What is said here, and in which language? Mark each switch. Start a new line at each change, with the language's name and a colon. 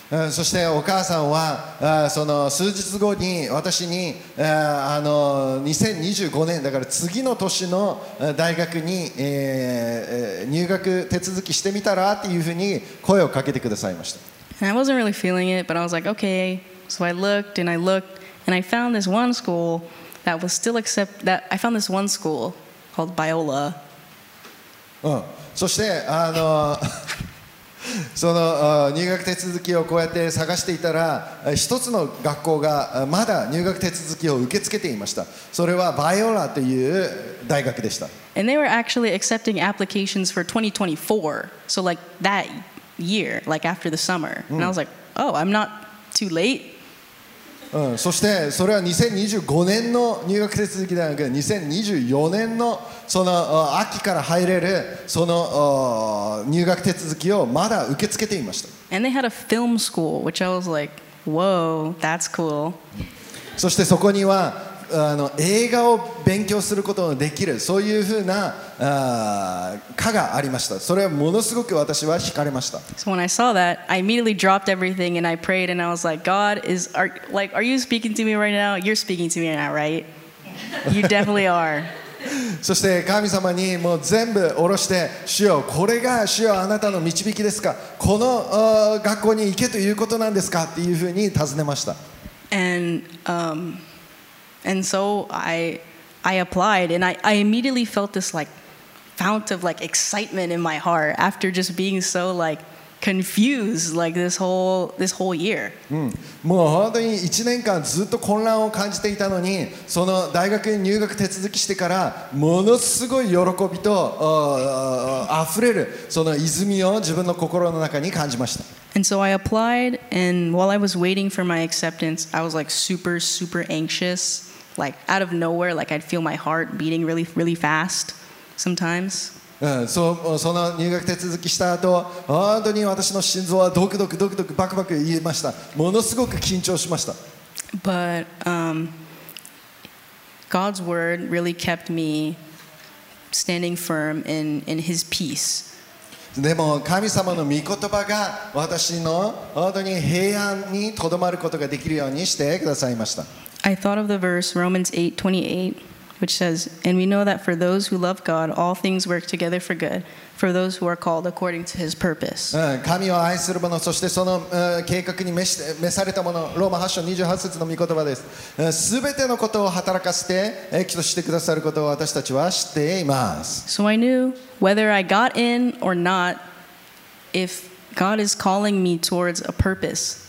Japanese: そしてお母さんはその数日後に私に2025年だから次の年の大学に、入学手続きしてみたらっていうふうに声をかけてくださいました。
English: And I wasn't really feeling it, but I was like, okay. So I looked and I looked and I found this one school that was still accept that I found this one school. Called Biola.
Japanese: そしてその入学手続きをこうやって探していたら一つの学校がまだ入学手続きを受け付けていました。それはバイオラという大学でした。
English: And they were actually accepting applications for 2024, so like that year, like after the summer. And I was like, oh, I'm not too late.
Japanese: そしてそれは2025年の入学手続きではなく2024年のその秋から入れるその入学手続きをまだ受け付けていました。
English: And they had a film school, which I was like, whoa, that's cool.
Japanese: そしてそこにはあの映画を勉強することのできるそういうふうな科がありました。それはものすごく私は惹かれました。
English: So when I saw that, I immediately dropped everything and I prayed and I was like, God, are you speaking to me right now? You're speaking to me now, right? You definitely are.
Japanese: そして神様にもう全部下ろして主よ、これが主よあなたの導きですか、この学校に行けということなんですかっていうふうに尋ねました。
English: And so I applied and I immediately felt this like fount of like excitement in my heart after just being so like confused like this whole year.
Japanese: もう本当に1年間ずっと混乱を感じていたのに、その大学に入学手続きしてからものすごい喜びと溢れるその泉を自分の心の中に感じました。
English: And so I applied and while I was waiting for my acceptance, I was like super, super anxious. Like out of nowhere, like I'd feel my heart beating really, really fast sometimes.
Japanese: その入学手続きした後、本当に私の心臓はドクドクドクドクバクバク言いました。ものすごく緊張しました。
English: But God's word really kept me standing firm in his peace.
Japanese: でも神様の御言葉が私の本当に平安にとどまることができるようにしてくださいました。
English: I thought of the verse Romans 8:28, which says, "And we know that for those who love God, all things work together for good, for those who are called according to His purpose."
Japanese: 神を愛する者、そしてその計画に召された者、ローマ8章28節の御言葉です。すべてのことを働かせて益としてくださることを私たちは知っています。
English: So I knew whether I got in or not, if God is calling me towards a purpose.